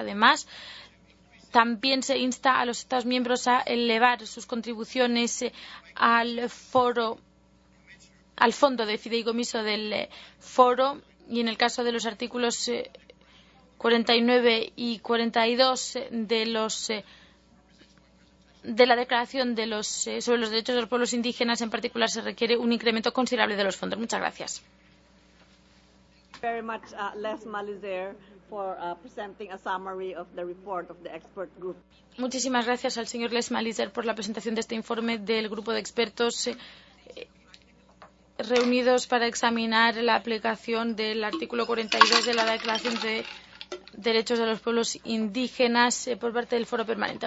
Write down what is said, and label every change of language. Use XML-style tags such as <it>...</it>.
<es>Además, también se insta a los Estados miembros a elevar sus contribuciones al foro, al fondo de fideicomiso del foro, y en el caso de los artículos 49 y 42 sobre los derechos de los pueblos indígenas, en particular, se requiere un incremento considerable de los fondos. Muchas gracias.</es> <en>Very much, Les Malizer, for presenting a summary of the report of the expert group.</en> <es>Muchísimas gracias al señor Les Malizer por la presentación de este informe del grupo de expertos reunidos para examinar la aplicación del artículo 42 de la Declaración de Derechos de los Pueblos Indígenas por parte del Foro Permanente.</es>